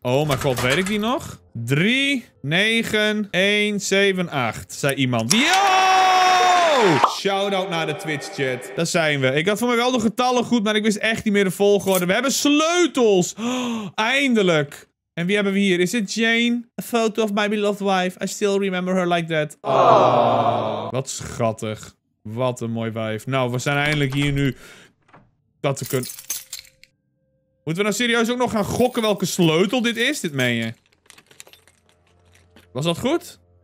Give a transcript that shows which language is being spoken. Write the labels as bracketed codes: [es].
[nl] Oh mijn god, weet ik die nog? 3, 9, 1, 7, 8. Zei iemand. Yo! Shoutout naar de Twitch chat. Daar zijn we. Ik had voor mij wel de getallen goed, maar ik wist echt niet meer de volgorde. We hebben sleutels! Oh, eindelijk! En wie hebben we hier? Is het Jane? [en] A photo of my beloved wife. I still remember her like that. Oh. [nl] Wat schattig. Wat een mooi wijf. Nou, we zijn eindelijk hier nu. Dat we kunnen. Moeten we nou serieus ook nog gaan gokken welke sleutel dit is? Dit meen je. Was dat goed?